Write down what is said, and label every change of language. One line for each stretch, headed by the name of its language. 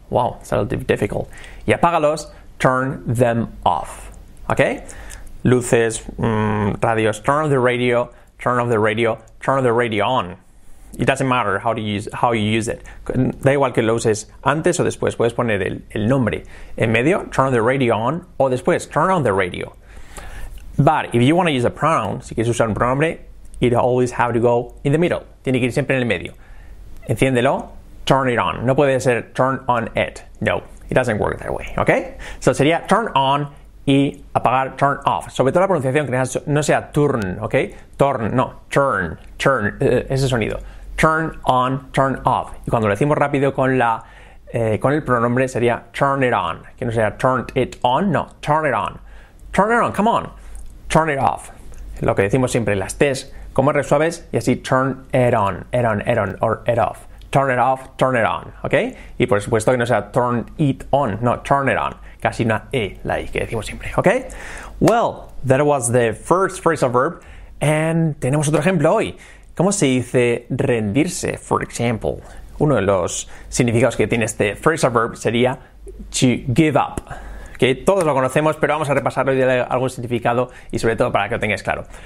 English: Wow, it's a little difficult.
Spanish: Y apágalos,
English: turn them off. ¿Ok?
Spanish: Luces, radios,
English: turn off the radio, turn the radio on. It doesn't matter how you use it.
Spanish: Da igual que lo uses antes o después, puedes poner el nombre en medio,
English: turn the radio on,
Spanish: o después,
English: turn on the radio. But if you want to use a pronoun,
Spanish: si quieres usar un pronombre,
English: it always have to go in the middle.
Spanish: Tiene que ir siempre en el medio. Enciéndelo,
English: turn it on.
Spanish: No puede ser
English: turn on it. No, it doesn't work that way, ¿ok?
Spanish: So sería turn on y apagar, turn off. Sobre todo la pronunciación, que no sea turn, ¿ok? Turn, no, turn, turn, ese sonido.
English: Turn on, turn off.
Spanish: Y cuando lo decimos rápido con la con el pronombre sería turn it on. Que no sea turned it on, no, turn it on.
English: Turn it on, come on. Turn it off.
Spanish: Lo que decimos siempre, las T's, como resuelves, y así
English: turn it on, it on, it on, or it off. Turn it off, turn it on,
Spanish: ¿ok? Y por supuesto que no sea
English: turn it on, no, turn it on.
Spanish: Casi una E, la I que decimos siempre, ¿ok?
English: Well, that was the first phrasal verb.
Spanish: And tenemos otro ejemplo hoy. ¿Cómo se dice rendirse,
English: for example?
Spanish: Uno de los significados que tiene este phrasal verb sería
English: to give up.
Spanish: Que ¿okay? Todos lo conocemos, pero vamos a repasarlo y darle algún significado y sobre todo para que lo tengáis claro.